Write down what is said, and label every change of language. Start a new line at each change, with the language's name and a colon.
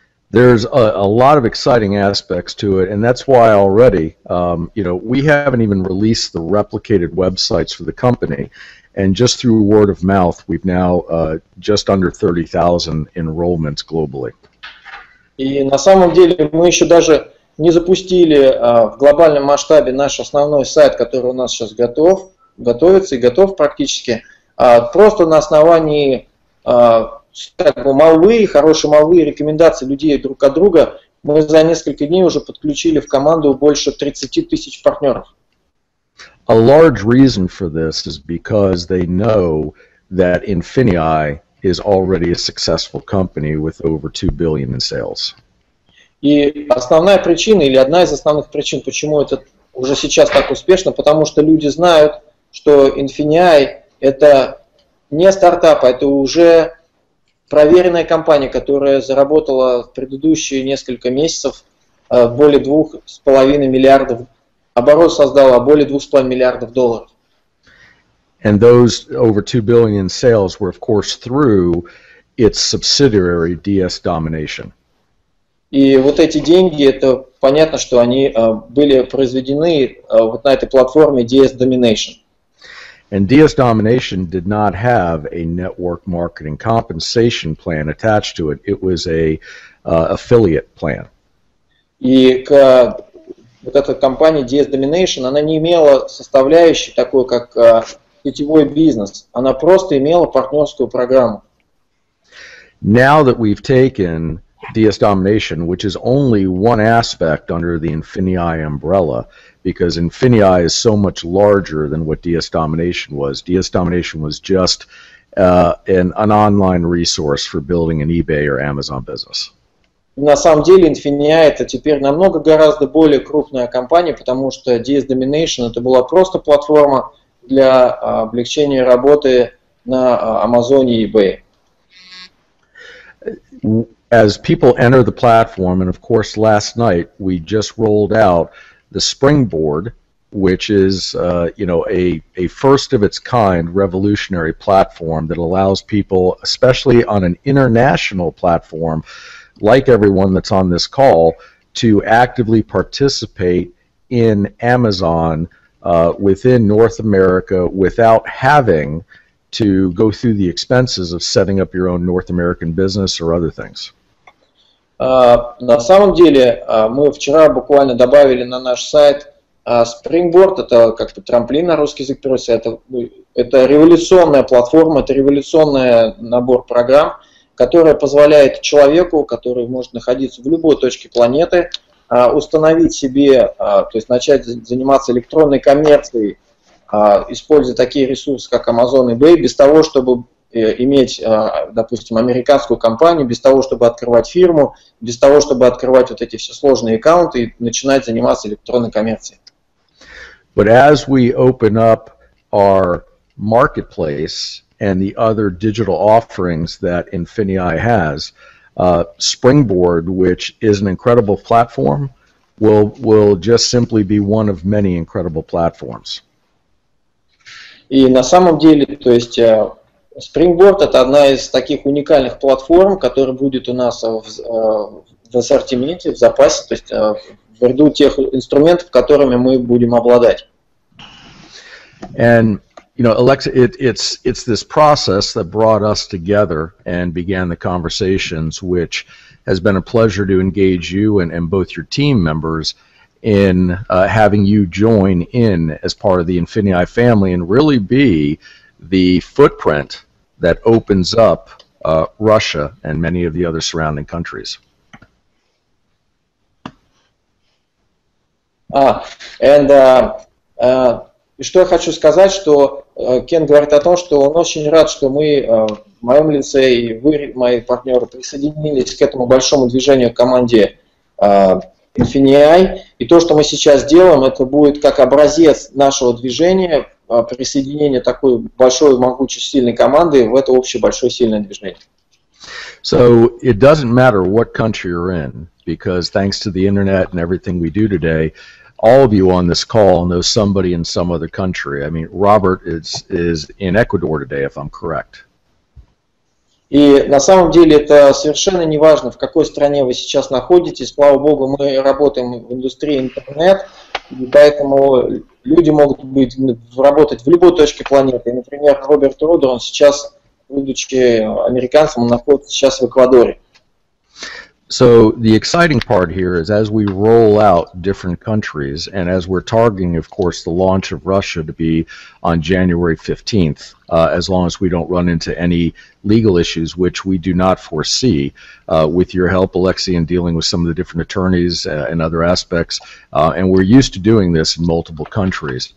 English: There's a lot of exciting aspects to it, and that's why already, we haven't even released the replicated websites for the company, and just through word of mouth, we've now just under 30,000 enrollments globally.
Russian: И на самом деле мы еще даже не запустили в глобальном масштабе наш основной сайт, который у нас сейчас готов практически, просто на основании хорошие молвы и рекомендации людей друг от друга, мы за несколько дней уже подключили в команду больше 30 тысяч партнеров.
English: A large reason for this is because they know that Infinii is already a successful company with over 2 billion in sales.
Russian: И основная причина, или одна из основных причин, почему это уже сейчас так успешно, потому что люди знают, что Infinii это не стартап, это уже проверенная компания, которая заработала в предыдущие несколько месяцев более 2,5 миллиардов, оборот создала более 2,5 миллиардов долларов.
English: And those over 2 billion in sales were, of course, through its subsidiary DS Domination.
Russian: И вот эти деньги, это понятно, что они были произведены вот на этой платформе DS Domination.
English: And DS Domination did not have a network marketing compensation plan attached to it. It was a affiliate plan.
Russian: И вот эта компания DS Domination, она не имела составляющей такой, как сетевой бизнес. Она просто имела партнерскую программу.
English: Now that we've taken DS Domination, which is only one aspect under the Infinii umbrella, because Infinii is so much larger than what DS Domination was. DS Domination was just an online resource for building an eBay or Amazon business.
Russian: На самом деле, Infinii это теперь намного гораздо более крупная компания, потому что DS Domination это была просто платформа для облегчения работы на Амазоне и eBay.
English: As people enter the platform, and of course last night we just rolled out the Springboard, which is a first of its kind revolutionary platform that allows people, especially on an international platform, like everyone that's on this call, to actively participate in Amazon within North America without having to go through the expenses of setting up your own North American business or other things.
Russian: На самом деле, мы вчера буквально добавили на наш сайт Springboard, это как бы трамплин на русский язык переводится, это революционная платформа, это революционный набор программ, которая позволяет человеку, который может находиться в любой точке планеты, установить себе, то есть начать заниматься электронной коммерцией, используя такие ресурсы, как Amazon и eBay, без того, чтобы иметь, допустим, американскую компанию, без того, чтобы открывать фирму, без того, чтобы открывать вот эти все сложные аккаунты и начинать заниматься электронной коммерцией.
English: But as we open up our marketplace and the other digital offerings that Infinii has, Springboard, which is an incredible platform, will just simply be one of many incredible platforms.
Russian: И на самом деле, то есть Springboard – это одна из таких уникальных платформ, которая будет у нас в ассортименте, в запасе, то есть в ряду тех инструментов, которыми мы будем обладать.
English: And, you know, Alexa, it's this process that brought us together and began the conversations, which has been a pleasure to engage you and both your team members in having you join in as part of the Infinii family and really be the footprint that opens up Russia and many of the other surrounding countries.
Russian: И что я хочу сказать, что Кен говорит о том, что он очень рад, что мы в моем лице и вы, мои партнеры, присоединились к этому большому движению в команде Infinii. И то, что мы сейчас делаем, это будет как образец нашего движения, присоединение такой большой, могучей, сильной команды в это общее большое сильное движение.
English: So it doesn't matter what country you're in, because thanks to the internet and everything we do today, all of you on this call know somebody in some other country. I mean, Robert is in Ecuador today, if I'm correct.
Russian: И на самом деле это совершенно не важно, в какой стране вы сейчас находитесь. Слава богу, мы работаем в индустрии интернет, и поэтому люди могут работать в любой точке планеты. Например, Роберт Родер, он сейчас, будучи американцем, он находится сейчас в Эквадоре.
English: So the exciting part here is as we roll out different countries and as we're targeting, of course, the launch of Russia to be on January 15th, as long as we don't run into any legal issues, which we do not foresee, with your help, Alexei, in dealing with some of the different attorneys and other aspects, and we're used to doing this in multiple countries.